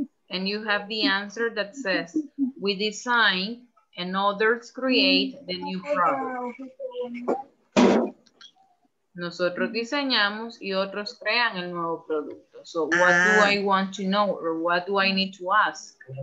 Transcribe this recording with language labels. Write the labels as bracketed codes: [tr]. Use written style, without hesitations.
[en] And you have the answer that says, we design and others create the new product. [es] Nosotros diseñamos y otros crean el nuevo producto. [en] So what do I want to know or what do I need to ask?